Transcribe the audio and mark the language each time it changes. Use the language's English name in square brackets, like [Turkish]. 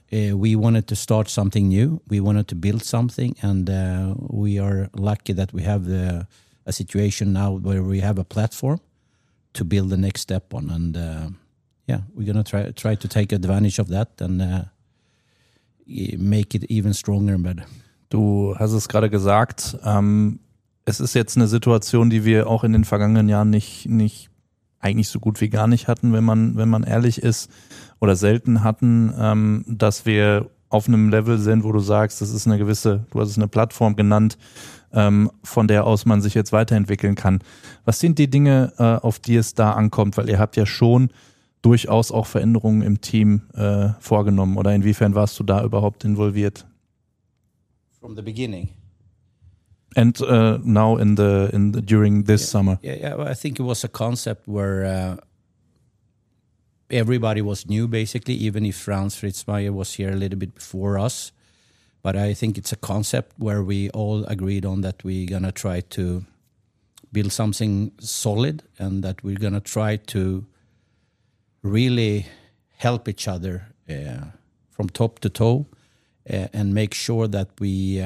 [English] We wanted to start something new. We wanted to build something, and we are lucky that we have a situation now where we have a platform to build the next step on. And we're going to try to take advantage of that and make it even stronger and better. [German] Du hast es gerade gesagt, es ist jetzt eine Situation, die wir auch in den vergangenen Jahren nicht eigentlich so gut wie gar nicht hatten, wenn man ehrlich ist, oder selten hatten, dass wir auf einem Level sind, wo du sagst, das ist eine gewisse, du hast es eine Plattform genannt, von der aus man sich jetzt weiterentwickeln kann. Was sind die Dinge, auf die es da ankommt? Weil ihr habt ja schon durchaus auch Veränderungen im Team vorgenommen. Oder inwiefern warst du da überhaupt involviert? [English] From the beginning. And now during this summer. I think it was a concept where everybody was new, basically, even if Franz Fritzmeier was here a little bit before us. But I think it's a concept where we all agreed on that we're going to try to build something solid, and that we're going to try to really help each other from top to toe and make sure that we...